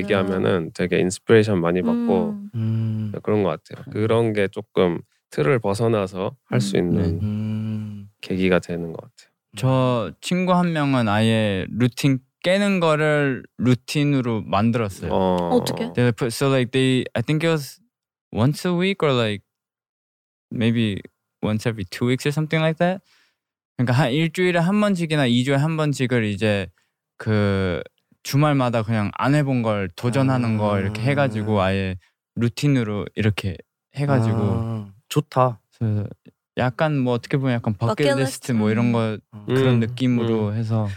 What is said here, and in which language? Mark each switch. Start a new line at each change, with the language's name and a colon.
Korean: 얘기하면은 되게 인스피레이션 많이 받고 그런 것 같아요. 그런 게 조금 틀을 벗어나서 할 수 있는 계기가 되는 것 같아요. 저 친구 한 명은 아예 루틴 깨는 거를 루틴으로 만들었어요. 어. 어떻게?
English: They put, so like they, I think it was once a week or like maybe once every 2 weeks or something like that.
Korean: 그러니까 한 일주일에 한 번씩이나 2주에 한 번씩을 이제 그 주말마다 그냥 안 해본 걸 도전하는 거 이렇게 해가지고 아예 루틴으로 이렇게 해가지고 좋다. 약간 뭐 어떻게 보면 약간 버킷리스트 뭐 이런 거 그런 느낌으로 해서